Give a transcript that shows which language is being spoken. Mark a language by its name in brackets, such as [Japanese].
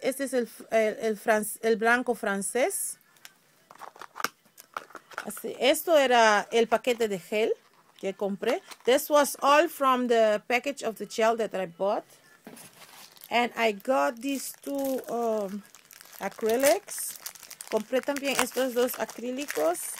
[Spanish] Este es el blanco francés. Así, esto era el paquete de gel que compré. [English] This was all from the package of the gel that I bought. And I got these 2 acrylics. [Spanish] Compré también estos 2 acrílicos.